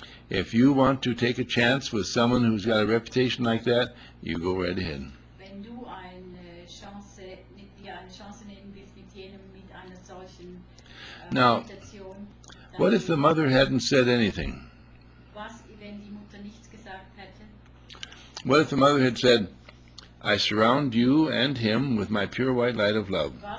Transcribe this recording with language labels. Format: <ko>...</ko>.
<en>If you want to take a chance with someone who's got a reputation like that, you go right ahead.</en> <de>Wenn du eine Chance nehmen willst mit jenem mit einer solchen</de> <en>Now, what if the mother hadn't said anything?</en> <de>Was, wenn die Mutter nichts gesagt hätte?</de> <en>What if the mother had said, I surround you and him with my pure white light of love?</en>